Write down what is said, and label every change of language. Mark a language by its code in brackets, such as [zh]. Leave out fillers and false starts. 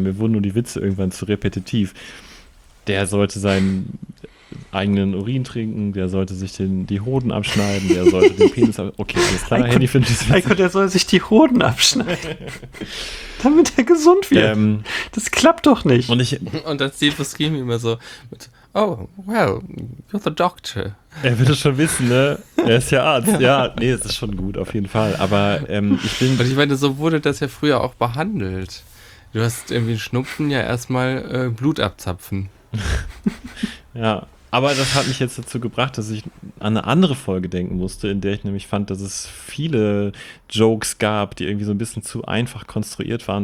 [de] Mir wurden nur die Witze irgendwann zu repetitiv. Der sollte seinen eigenen Urin trinken, der sollte sich die Hoden abschneiden, der sollte den Penis abschneiden. Okay, alles klar, Handy findet es. Eiko, der soll sich die Hoden abschneiden. Damit er gesund wird. Das klappt doch nicht. Und dann sieht Steve Buscemi immer so mit, [en] Oh, well, you're the doctor. [de] Er wird es schon wissen, ne? Er ist ja Arzt. Ja, nee, es ist schon gut, auf jeden Fall. Aber ich bin... Und ich meine, so wurde das ja früher auch behandelt. Du hast irgendwie einen Schnupfen, ja erstmal Blut abzapfen. Ja, aber das hat mich jetzt dazu gebracht, dass ich an eine andere Folge denken musste, in der ich nämlich fand, dass es viele Jokes gab, die irgendwie so ein bisschen zu einfach konstruiert waren.